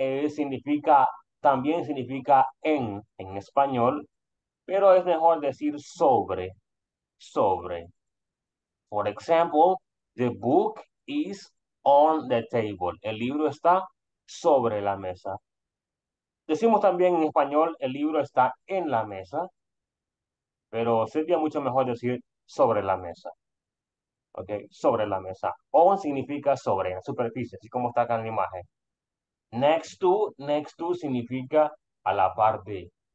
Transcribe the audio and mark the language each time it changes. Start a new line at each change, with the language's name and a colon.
Spanish: Significa, también significa en español, pero es mejor decir sobre.
English: For example, the book is on the table.
Spanish: El libro está sobre la mesa. Decimos también en español, el libro está en la mesa. Pero sería mucho mejor decir sobre la mesa. ¿Ok? Sobre la mesa. On significa sobre, en superficie, así como está acá en la imagen. Next to significa a la par de.